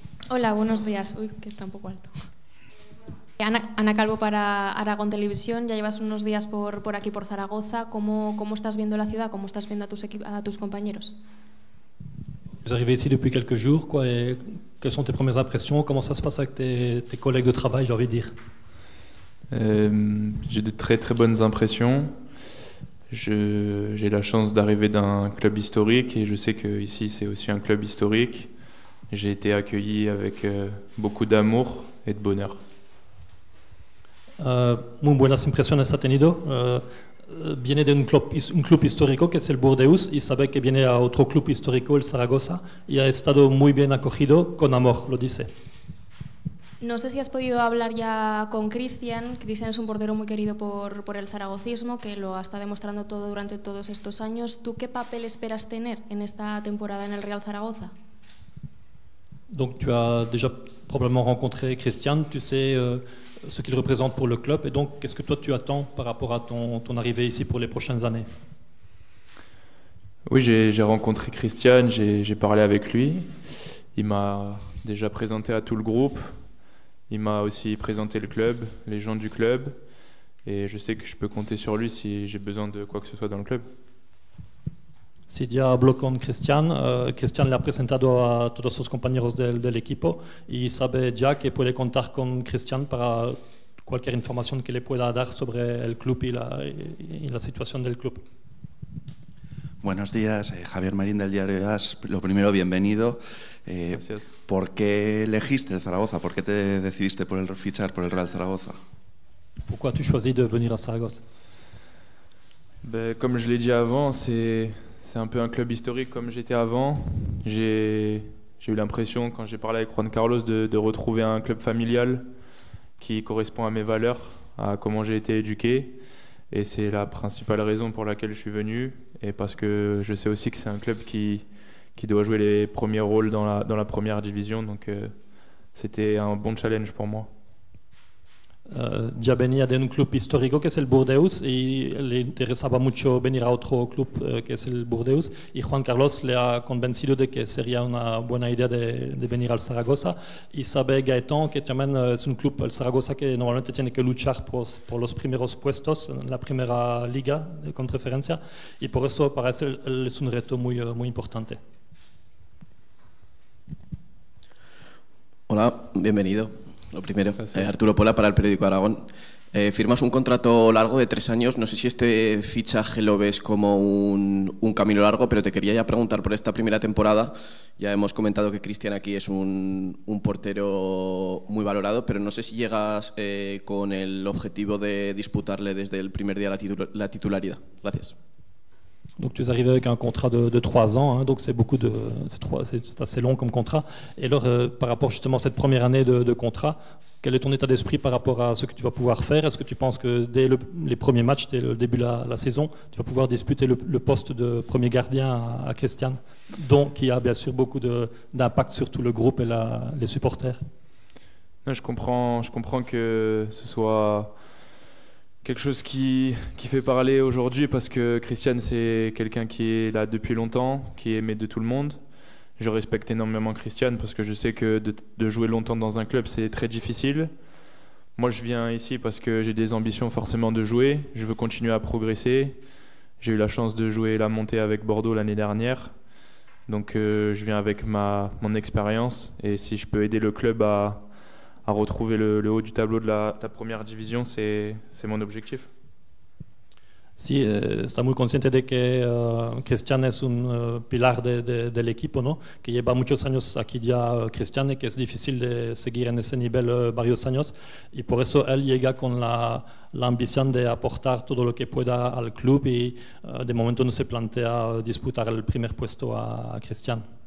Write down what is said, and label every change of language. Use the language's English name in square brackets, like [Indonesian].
[Spanish] Hola, buenos días. Uy, que está un poco alto. Ana Calvo para Aragón Televisión. Ya llevas unos días por aquí, por Zaragoza. ¿Cómo estás viendo la ciudad? ¿Cómo estás viendo a tus compañeros? [French] Vous arrivez ici depuis quelques jours, quoi, et quelles sont tes premières impressions? Comment ça se passe avec tes collègues de travail, j'ai envie de dire? J'ai de très très bonnes impressions. J'ai la chance d'arriver d'un club historique et je sais qu'ici c'est aussi un club historique. J'ai été accueilli avec beaucoup d'amour et de bonheur. [Spanish] Muy buenas impresiones has tenido. Viene de un club histórico que es el Burdeos y sabe que viene a otro club histórico, el Zaragoza, y ha estado muy bien acogido, con amor, lo dice. No sé si has podido hablar ya con Cristian. Cristian es un portero muy querido por el zaragocismo, que lo está demostrando todo durante todos estos años. ¿Tú qué papel esperas tener en esta temporada en el Real Zaragoza? [French] Donc tu as déjà probablement rencontré Cristian, tu sais ce qu'il représente pour le club, et donc qu'est-ce que toi tu attends par rapport à ton arrivée ici pour les prochaines années? Oui, j'ai rencontré Cristian, j'ai parlé avec lui, il m'a déjà présenté à tout le groupe, il m'a aussi présenté le club, les gens du club, et je sais que je peux compter sur lui si j'ai besoin de quoi que ce soit dans le club. [Spanish] Sidia habló con Cristian. Cristian le ha presentado a todos sus compañeros del equipo y sabe ya que puede contar con Cristian para cualquier información que le pueda dar sobre el club y la situación del club. Buenos días, Javier Marín del diario AS. Lo primero, bienvenido. Gracias. ¿Por qué elegiste el Zaragoza? ¿Por qué te decidiste por fichar por el Real Zaragoza? ¿Por qué tú decidiste venir a Zaragoza? [French] Como je l'ai dit avant, c'est un peu un club historique comme j'étais avant. J'ai eu l'impression, quand j'ai parlé avec Juan Carlos, de retrouver un club familial qui correspond à mes valeurs, à comment j'ai été éduqué. Et c'est la principale raison pour laquelle je suis venu. Et parce que je sais aussi que c'est un club qui doit jouer les premiers rôles dans la première division. Donc c'était un bon challenge pour moi. [Spanish] Ya venía de un club histórico que es el Burdeos y le interesaba mucho venir a otro club que es el Burdeos, y Juan Carlos le ha convencido de que sería una buena idea de venir al Zaragoza, y sabe Gaetán que también es un club, el Zaragoza, que normalmente tiene que luchar por los primeros puestos en la primera liga con preferencia, y por eso para él es un reto muy, muy importante. Hola, bienvenido. Lo primero, Arturo Pola para el periódico Aragón. Firmas un contrato largo de 3 años. No sé si este fichaje lo ves como un camino largo, pero te quería ya preguntar por esta primera temporada. Ya hemos comentado que Cristian aquí es un portero muy valorado, pero no sé si llegas con el objetivo de disputarle desde el primer día la titularidad. Gracias. [French] Donc tu es arrivé avec un contrat de 3 ans, hein, donc c'est assez long comme contrat. Et alors, par rapport justement à cette première année de contrat, quel est ton état d'esprit par rapport à ce que tu vas pouvoir faire? Est-ce que tu penses que dès les premiers matchs, dès le début de la saison, tu vas pouvoir disputer le poste de premier gardien à Christian, donc qui a bien sûr beaucoup d'impact sur tout le groupe et les supporters? Non, je comprends que ce soit quelque chose qui fait parler aujourd'hui, parce que Christian, c'est quelqu'un qui est là depuis longtemps, qui est aimé de tout le monde. Je respecte énormément Christian parce que je sais que de jouer longtemps dans un club, c'est très difficile. Moi, je viens ici parce que j'ai des ambitions forcément de jouer. Je veux continuer à progresser. J'ai eu la chance de jouer la montée avec Bordeaux l'année dernière. Donc, je viens avec mon expérience. Et si je peux aider le club à retrouver le haut du tableau de la première division, c'est mon objectif. [Spanish] Sí, está muy consciente de que Cristian es un pilar del equipo, ¿no? Que lleva muchos años aquí ya Cristian, y que es difícil de seguir en ese nivel varios años, y por eso él llega con la ambición de aportar todo lo que pueda al club, y de momento no se plantea disputar el primer puesto a Cristian.